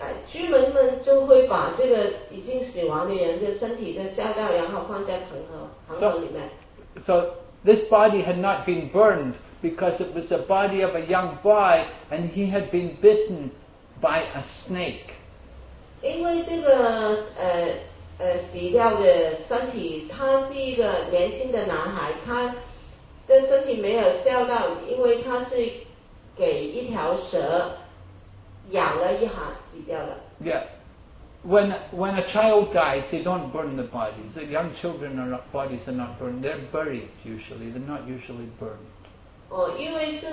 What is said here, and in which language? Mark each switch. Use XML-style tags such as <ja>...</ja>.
<zh>居民们就会把这个已经死亡的人的身体就下到然后放在恒河里面。</zh> <en>So this body had not been burned because it was the body of a young boy and he had been bitten by a snake.</en> <zh>因为这个死掉的身体，他是一个年轻的男孩，他的身体没有笑到，因为他是给一条蛇。</zh> <en>Yeah. When a child dies, they don't burn the bodies. The young children are not, bodies are not burned. They're buried usually. They're not usually burned.</en>